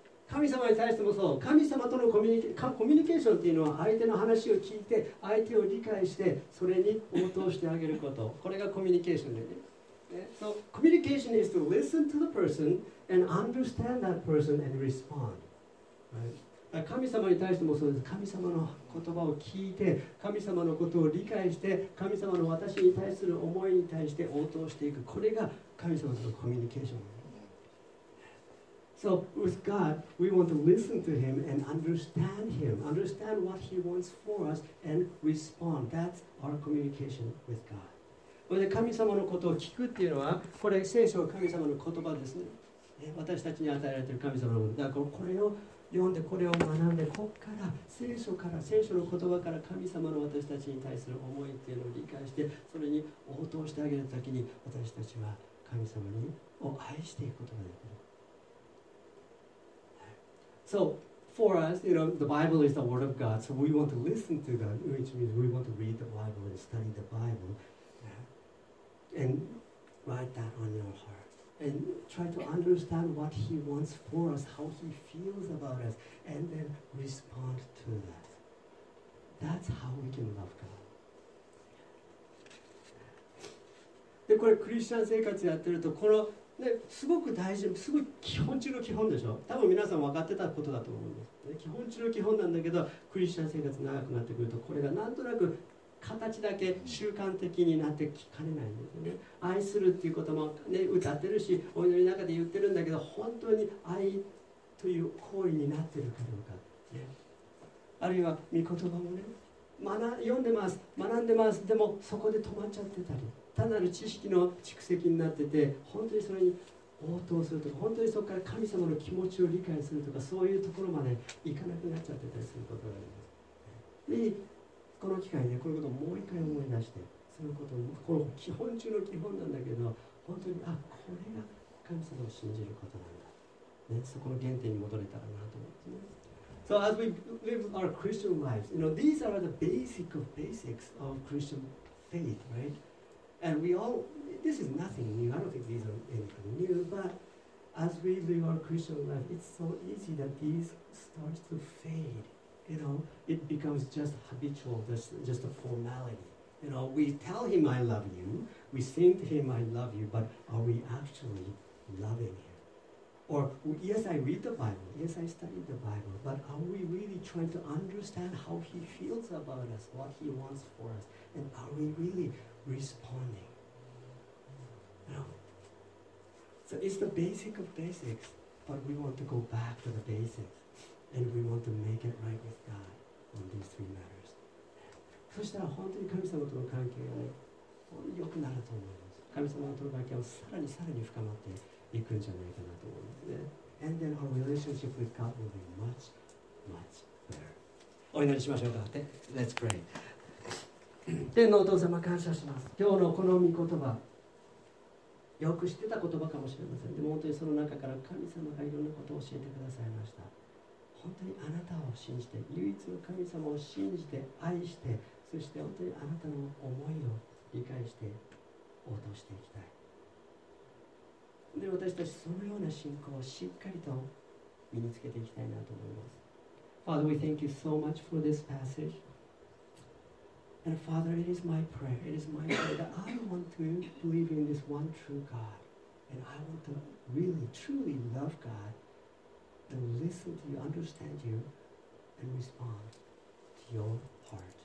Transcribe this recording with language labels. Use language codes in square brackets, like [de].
[ja] 神様に対してもそう、神様とのコミュニケーションというのは相手の話を聞いて、相手を理解して、それに応答してあげること。これがコミュニケーションでね。 [en] So, communication is to listen to the person and understand that person and respond. Right? [ja] 神様に対してもそうです。神様の言葉を聞いて、神様のことを理解して、神様の私に対する思いに対して応答していく。これが神様とのコミュニケーション。 [en] So with God, we want to listen to Him and understand Him, understand what He wants for us and respond. That's our communication with God. [ja] これで神様のことを聞くっていうのは、これ聖書は神様の言葉ですね。私たちに与えられている神様のこと。だからこれを読んで、これを学んで、こっから聖書から、聖書の言葉から神様の私たちに対する思いっていうのを理解して、それに応答してあげるときに、私たちは神様を愛していくことができる。 [en] So for us, you know, the Bible is the word of God, so we want to listen to God, which means we want to read the Bible and study the Bible, and write that on your heart, and try to understand what He wants for us, how He feels about us, and then respond to that. That's how we can love God. [ja] で、これクリスチャン生活やってると、このね、すごく大事、すごい基本中の基本でしょ。多分皆さん分かってたことだと思うんです、ね。基本中の基本なんだけど、クリスチャン生活長くなってくると、これがなんとなく形だけ習慣的になってきかねないんですよね。愛するっていうことも、ね、歌ってるし、お祈りの中で言ってるんだけど、本当に愛という行為になってるかどうか。ね、あるいは御言葉もね、読んでます、学んでます、でもそこで止まっちゃってたり。単なる知識の蓄積になってて、本当にそれに応答するとか、本当にそこから神様の気持ちを理解するとか、そういうところまで行かなくなっちゃってたりすることがあります。で、この機会ね、こういうことをもう一回思い出して、そういうことも、この基本中の基本なんだけど、本当に、あ、これが神様を信じることなんだ。ね、そこの原点に戻れたらなと思ってね。 [en] So as we live our Christian lives, you know, these are the basic of basics of Christian faith, right? And we all, this is nothing new, I don't think these are anything new, but as we live our Christian life, it's so easy that these start to fade, you know, it becomes just habitual, just a formality, you know, we tell him I love you, we sing to him I love you, but are we actually loving him? Or, yes, I read the Bible, yes, I study the Bible, but are we really trying to understand how he feels about us, what he wants for us, and are we reallyresponding. No. So it's the basic of basics, but we want to go back to the basics and we want to make it right with God on these three matters. [ja] そしたら本当に神様との関係が、ね、本当に良くなると思います。神様との関係をさらにさらに深まっていくんじゃないかなと思いますね。 [en] And then our relationship with God will be much, much better. [ja] お祈りしましょうか。 [en] Let's pray. [ja] 天のお父様、感謝します。今日のこの御言葉、よく知ってた言葉かもしれません。でも本当にその中から神様がいろんなことを教えてくださいました。本当にあなたを信じて、唯一の神様を信じて、愛して、そして本当にあなたの思いを理解して、応答していきたい。で、私たちそのような信仰をしっかりと身につけていきたいなと思います。 [en] Father, we thank you so much for this passage. And Father, it is my prayer, that I want to believe in this one true God. And I want to really, truly love God. And listen to you, understand you, and respond to your heart.